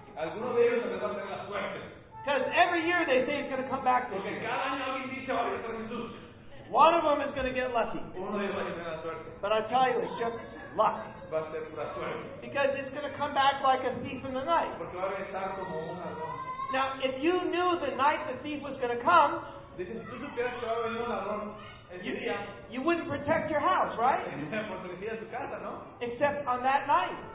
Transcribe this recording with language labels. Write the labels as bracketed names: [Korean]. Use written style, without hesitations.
[Spanish] Alguno de ellos va a tener la suerte. [English] Because every year they say he's going to come back this [Spanish] Porque [English] year. [Spanish] Porque cada año alguien dice va a regresar Jesús. [English] One of them is going to get lucky. [Spanish] Uno de ellos va a tener la suerte. [English] But I tell you, it's just luck. [Spanish] Va a ser pura suerte. [English] Because it's going to come back like a thief in the night. [Spanish] Porque va a regresar como un ladrón. [English] Now, if you knew the night the thief was going to come, [Spanish] dice, si tú supieras que va a venir un ladrón, [English] You wouldn't protect your house, right? Except on that night.